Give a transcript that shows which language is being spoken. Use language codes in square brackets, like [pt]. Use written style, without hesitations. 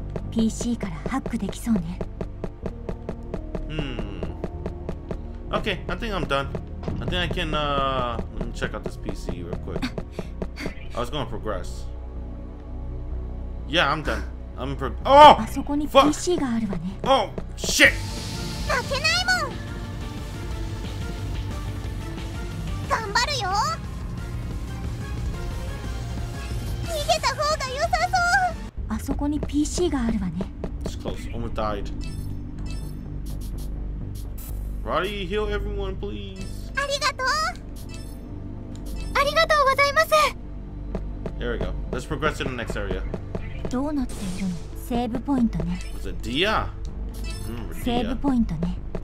[ja] PC からハックできそうね。 [en] Okay, I think I'm done. I think I can let me check out this PC real quick. I was gonna progress. Yeah, I'm done. I'm pro. Oh! [ja] あそこに PC があるわね。 [en] Oh shit! [ja] 負けないもん。頑張るよ。逃げた方が良さそう。あそこに PC があるわね。 [en] Almost died. Roddy, heal everyone, please. [ja] Arigatou gozaimasu. [en] There we go. Let's progress to the next area. [ja] Dou natte iru no? Save point ne. [en] It's a dia. Save point ne.